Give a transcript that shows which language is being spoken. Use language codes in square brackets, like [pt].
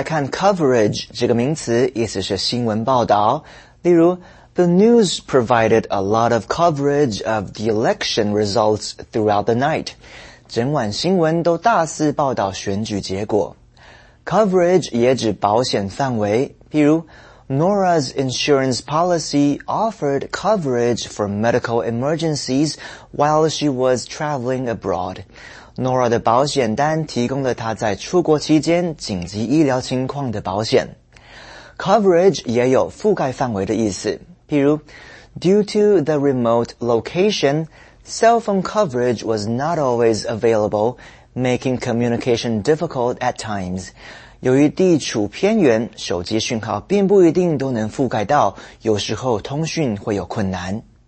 [en] Coverage [zh] 这个名词意思是新闻报道，例如 [en] The news provided a lot of coverage of the election results throughout the night. [zh] 整晚新闻都大肆报道选举结果。 [en] Coverage [zh] 也指保险范围，譬如 [en] Nora's insurance policy offered coverage for medical emergencies while she was traveling abroad. [zh] Nora 的保险单提供了她在出国期间紧急医疗情况的保险。 [en] Coverage [zh] 也有覆盖范围的意思，譬如 [en] ,Due to the remote location, cell phone coverage was not always available, making communication difficult at times. [zh] 由于地处偏远，手机讯号并不一定都能覆盖到，有时候通讯会有困难。